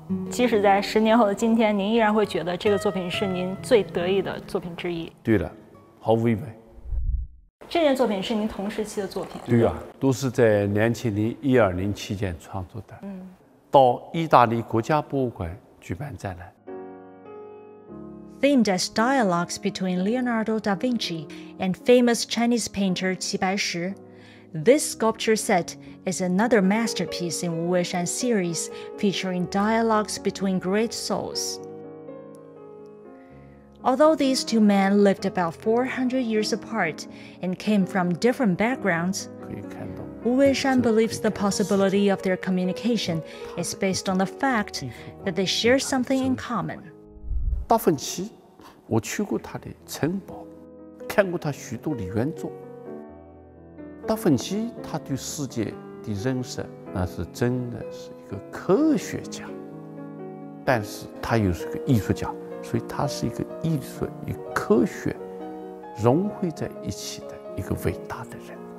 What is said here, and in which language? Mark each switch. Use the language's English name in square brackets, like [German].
[Chinese] 即使在十年后的今天，您依然会觉得这个作品是您最得意的作品之一。对了，毫无疑问。这件作品是您同时期的作品。对啊，都是在2012年期间创作的。到意大利国家博物馆举办展览。 [English] Themed as dialogues between Leonardo da Vinci and famous Chinese painter 齐白石, this sculpture set is another masterpiece in Wu Weishan series featuring dialogues between great souls. Although these two men lived about 400 years apart and came from different backgrounds, Wu Weishan believes the possibility of their communication is based on the fact that they share something in common. [Chinese] 达芬奇，我去过他的城堡，看过他许多的原作。达芬奇他对世界的认识，那是真的是一个科学家，但是他又是个艺术家，所以他是一个艺术与科学融汇在一起的一个伟大的人。